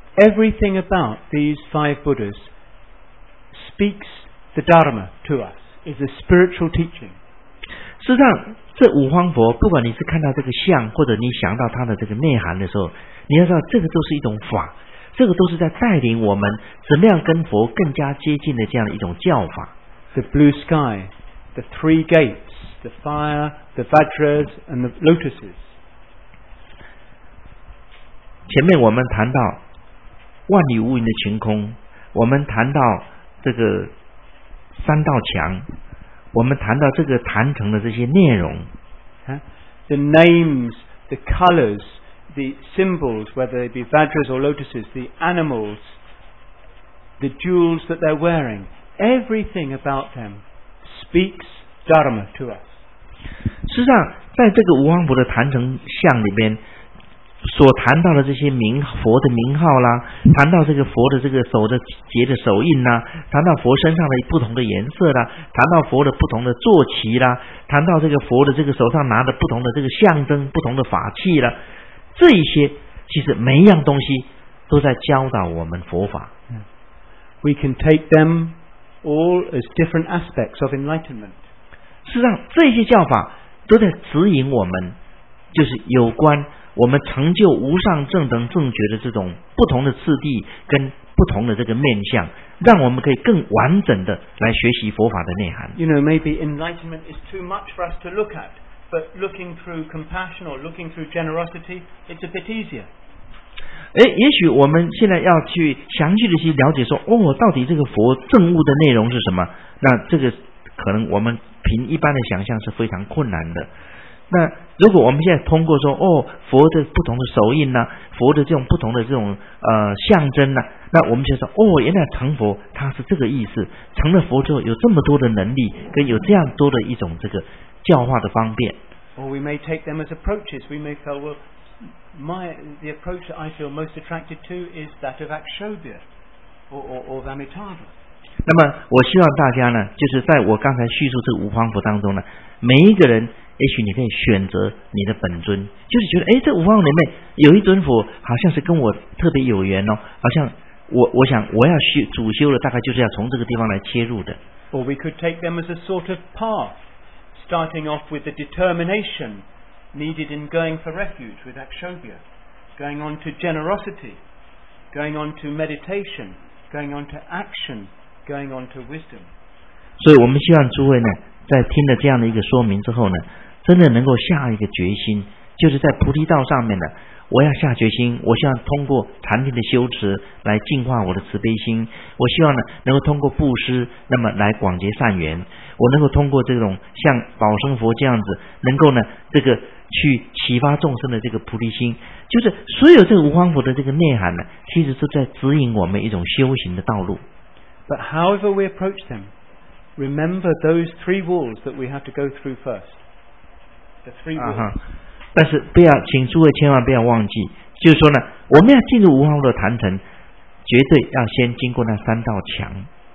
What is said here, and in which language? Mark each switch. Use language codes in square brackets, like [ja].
[en] Everything about these five Buddhas speaks the Dharma to us, is a spiritual teaching. [zh] 事实上，这五方佛，不管你是看到这个像，或者你想到它的这个内涵的时候，你要知道，这个都是一种法，这个都是在带领我们怎么样跟佛更加接近的这样的一种教法。 [en] The blue sky, the three gates, the fire, the vajras, and the lotuses. [zh] 前面我们谈到万里无云的晴空，我们谈到这个三道墙，我们谈到这个坛城的这些内容。 [en] The names, the colors, the symbols, whether they be vajras or lotuses, the animals, the jewels that they're wearing, everything about them speaks Dharma to us. [zh] 实际上，在这个无方佛的坛城像里边所谈到的这些名佛的名号啦，谈到这个佛的这个手的结的手印啦，谈到佛身上的不同的颜色啦，谈到佛的不同的坐骑啦，谈到这个佛的这个手上拿的不同的这个象征、不同的法器啦，这一些其实每一样东西都在教导我们佛法。 [en] We can take them all as different aspects of enlightenment. [zh] 事实上，这些教法都在指引我们，就是有关。我们成就无上正等正觉的这种不同的次第跟不同的这个面向，让我们可以更完整的来学习佛法的内涵。 [en] You know, maybe enlightenment is too much for us to look at, but looking through compassion or looking through generosity, it's a bit easier. [zh] 也许我们现在要去详细的去了解说，哦，到底这个佛证悟的内容是什么，那这个可能我们凭一般的想象是非常困难的。那如果我们现在通过说，哦，佛的不同的手印呢，佛的这种不同的这种象征呢，那我们就说，哦，原来成佛它是这个意思，成了佛之后有这么多的能力，跟有这样多的一种这个教化的方便。 [en] Or we may take them as approaches. We may feel, well, the approach that I feel most attracted to is that of Akshobhya or Amitabha. [zh] 那么我希望大家呢，就是在我刚才叙述这五方佛当中呢，每一个人也许你可以选择你的本尊，就是觉得哎，这五方里面有一尊佛好像是跟我特别有缘哦，好像我想我要修主修的大概就是要从这个地方来切入的。 [en] Or we could take them as a sort of path, starting off with the determination needed in going for refuge with Akshobhya, going on to generosity, going on to meditation, going on to actiongoing on to wisdom. [zh] 所以我们希望诸位呢，在听了这样的一个说明之后呢，真的能够下一个决心，就是在菩提道上面呢，我要下决心，我希望通过禅定的修持来净化我的慈悲心，我希望呢能够通过布施那么来广结善缘，我能够通过这种像宝生佛这样子能够呢这个去启发众生的这个菩提心，就是所有这个无方佛的这个内涵呢，其实是在指引我们一种修行的道路。 [en] But however we approach them, remember those three walls that we have to go through first. The three walls. [zh] 但是不要，请诸位千万不要忘记，就是说呢，我们要进入无方的坛城，绝对要先经过那三道墙。